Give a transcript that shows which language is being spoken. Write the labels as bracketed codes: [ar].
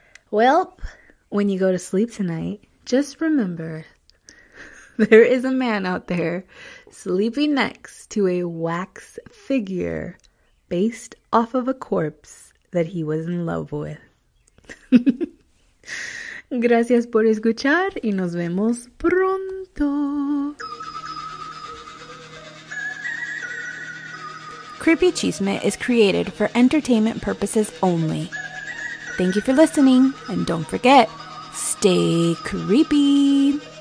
[en] Well, when you go to sleep tonight, just remember there is a man out there sleeping next to a wax figure based off of a corpse that he was in love with. [es] Gracias por escuchar y nos vemos pronto. [en] Creepy Chisme is created for entertainment purposes only. Thank you for listening, and don't forget, stay creepy.